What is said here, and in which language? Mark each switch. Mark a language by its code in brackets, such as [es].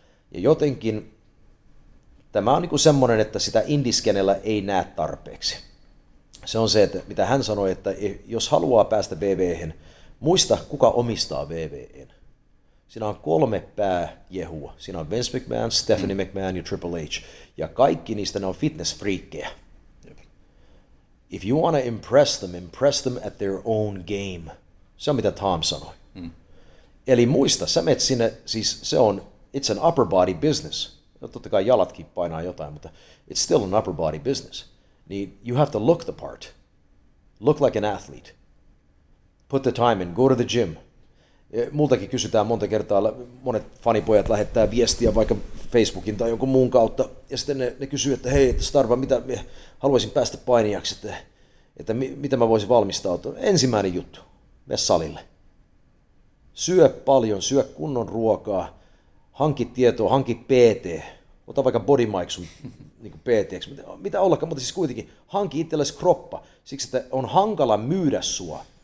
[fi] Ja jotenkin tämä on niin kuin semmoinen, että sitä indiskenellä ei näe tarpeeksi. Se on se, että mitä hän sanoi, että jos haluaa päästä VV:hen, muista kuka omistaa VV:n. Siinä on kolme pääjehua. Siinä on Vince McMahon, Stephanie McMahon ja Triple H. Ja kaikki niistä ne on fitness-friikkejä. [en] If you want to impress them at their own game. [fi] Se on mitä Tom sanoi. Eli muista, sä menet sinne, siis se on, [en] it's an upper body business. [fi] No, totta kai jalatkin painaa jotain, mutta [en] it's still an upper body business. Niin you have to look the part. Look like an athlete. Put the time in, go to the gym. [fi] Multakin kysytään monta kertaa, monet fanipojat lähettää viestiä vaikka Facebookin tai jonkun muun kautta, ja sitten ne kysyy, että hei, että Starva, mitä haluaisin päästä painijaksi, että mitä mä voisin valmistautua. Ensimmäinen juttu, mene salille. Syö paljon, syö kunnon ruokaa, hanki tietoa, hanki PT, ota vaikka Body Mike sun niin PT:ksi, mitä ollakaan, mutta siis kuitenkin hanki itsellesi kroppa, siksi että on hankala myydä sua.